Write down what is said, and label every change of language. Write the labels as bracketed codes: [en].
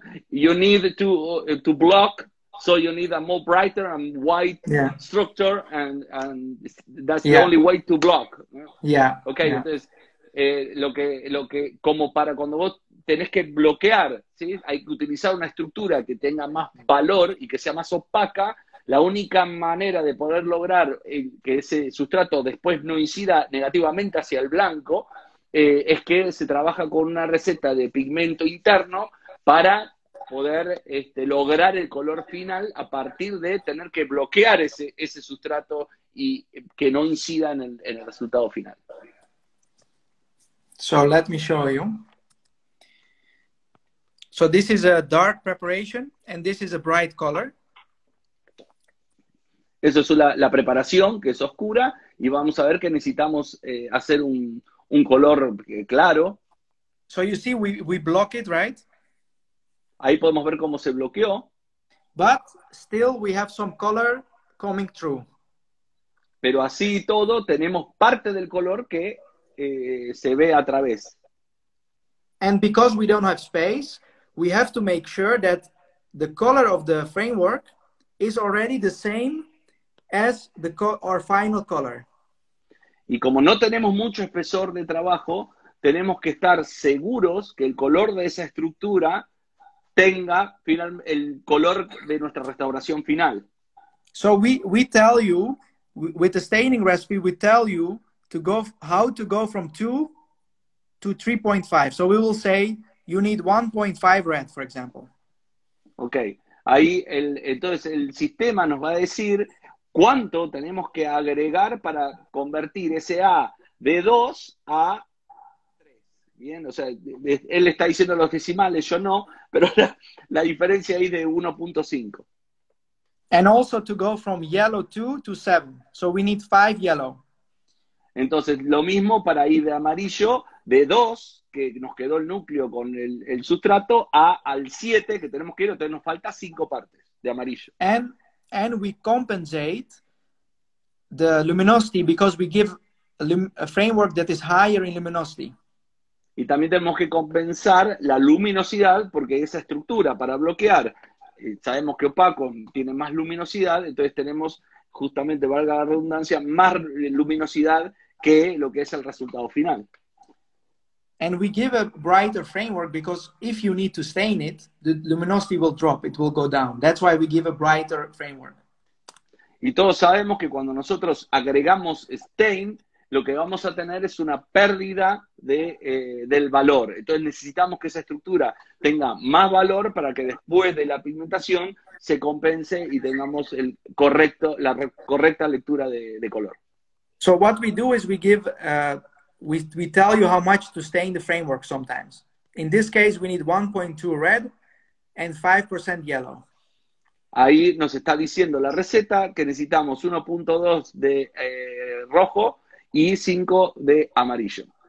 [en] You need to block, so you need a more brighter and white structure, and that's the only way to block. Yeah. Okay. Yeah. [es] Entonces, lo que como para cuando vos tenés que bloquear, ¿sí? Hay que utilizar una estructura que tenga más valor y que sea más opaca. La única manera de poder lograr que ese sustrato después no incida negativamente hacia el blanco es que se trabaja con una receta de pigmento interno para poder lograr el color final a partir de tener que bloquear ese sustrato y que no incida en el resultado final. [en] So let me show you. So this is a dark preparation and this is a bright color. [es] Eso es la preparación, que es oscura, y vamos a ver que necesitamos hacer un color claro. [en] So you see we block it, right? [es] Ahí podemos ver cómo se bloqueó. [en] But still we have some color coming through. [es] Pero así y todo tenemos parte del color que se ve a través. [en] And because we don't have space, we have to make sure that the color of the framework is already the same as the our final color. [es] Y como no tenemos mucho espesor de trabajo, tenemos que estar seguros que el color de esa estructura tenga final el color de nuestra restauración final. [en] So we tell you with the staining recipe, we tell you to go how to go from 2 to 3.5. So we will say you need 1.5 red, for example. Okay. [es] Ahí entonces el sistema nos va a decir cuánto tenemos que agregar para convertir ese A de 2 a 3. Bien, o sea, él está diciendo los decimales, yo no, pero la diferencia ahí de 1.5. [en] And also to go from yellow 2 to 7. So we need 5 yellow. [es] Entonces, lo mismo para ir de amarillo, de 2, que nos quedó el núcleo con el sustrato, al 7, que tenemos que ir, entonces nos falta 5 partes de amarillo. [en] And we compensate the luminosity because we give a framework that is higher in luminosity. [es] Y también tenemos que compensar la luminosidad porque esa estructura para bloquear, sabemos que opaco tiene más luminosidad, entonces tenemos... justamente, valga la redundancia, más luminosidad que lo que es el resultado final. [en] And we give a brighter framework because if you need to stain it, the luminosity will drop, it will go down. That's why we give a brighter framework. [es] Y todos sabemos que cuando nosotros agregamos stain, lo que vamos a tener es una pérdida de, del valor. Entonces necesitamos que esa estructura tenga más valor para que después de la pigmentación se compense y tengamos el correcto, la correcta lectura de color. [en] So what we do is we give, we tell you how much to stay in the framework sometimes. In this case, we need 1.2 red and 5% yellow. [es] Ahí nos está diciendo la receta que necesitamos 1.2 de rojo y 5 de amarillo.